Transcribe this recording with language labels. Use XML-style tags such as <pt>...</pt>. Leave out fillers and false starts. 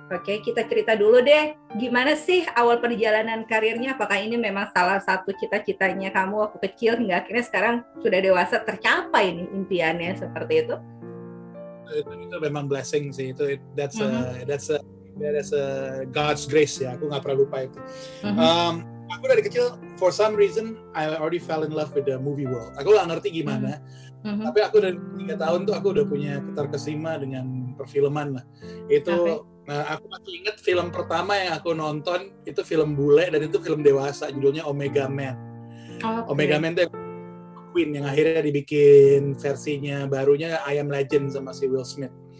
<id>Oke, kita cerita dulu deh, gimana sih awal perjalanan karirnya? Apakah ini memang salah satu cita-citanya kamu waktu kecil hingga akhirnya sekarang sudah dewasa tercapai nih impiannya seperti itu? Itu memang blessing sih, itu</id> <en>that's a God's grace</en> <id>ya. Aku nggak pernah lupa itu. Aku dari kecil,</id> <en>for some reason, I already fell in love with the movie world.</en> <id>Aku nggak ngerti gimana. Tapi aku dari 3 tahun tuh aku udah punya keterkesima dengan perfilman lah. Itu, aku masih inget film pertama yang aku nonton, itu film bule dan itu film dewasa, judulnya Omega Man. Okay. Omega Man tuh Queen yang akhirnya dibikin versinya barunya I Am Legend sama si Will Smith.</id>